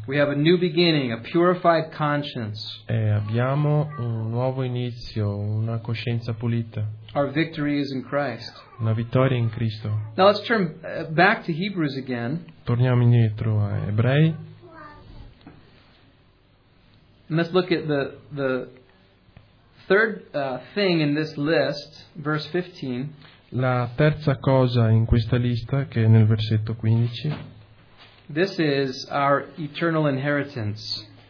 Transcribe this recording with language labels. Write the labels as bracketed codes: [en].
[en] We have a new beginning, a purified conscience. [it] E abbiamo un nuovo inizio, una coscienza pulita. [en] Our victory is in Christ. [it] Una vittoria in Cristo. [en] Now let's turn back to Hebrews again. [it] Torniamo indietro a Ebrei. [en] And let's look at the third thing in this list, verse 15. [it] La terza cosa in questa lista, che è nel versetto 15. [en] This is our eternal inheritance.